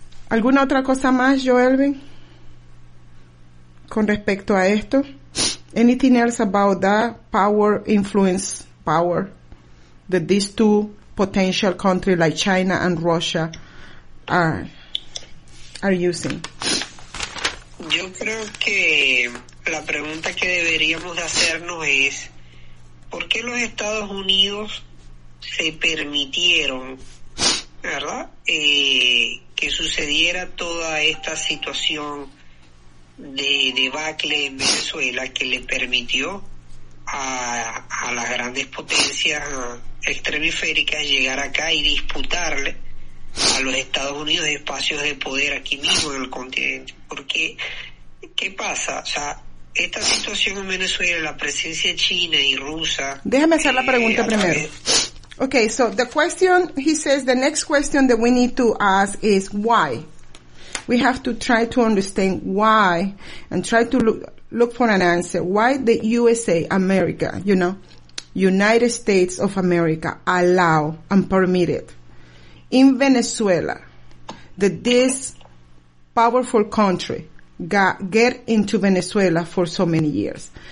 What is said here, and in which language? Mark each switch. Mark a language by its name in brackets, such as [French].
[Spanish] ¿Alguna otra cosa más, Joelvin? Con respecto a esto. [English] Anything else about that power, influence, power that these two potential countries like China and Russia are using? [Spanish] Yo creo que la pregunta que deberíamos hacernos es, ¿por qué los Estados Unidos se permitieron, verdad, que sucediera toda esta situación de debacle en Venezuela, que le permitió a las grandes potencias extremisféricas llegar acá y disputarle a los Estados Unidos espacios de poder aquí mismo en el continente? Porque, ¿qué pasa? O sea, esta situación en Venezuela, la presencia china y rusa... Déjame hacer la pregunta primero. [English] Okay, so the question, he says, the next question that we need to ask is why. We have to try to understand why and try to look for an answer. Why the USA, America, you know, United States of America allow and permit it in Venezuela that this powerful country get into Venezuela for so many years.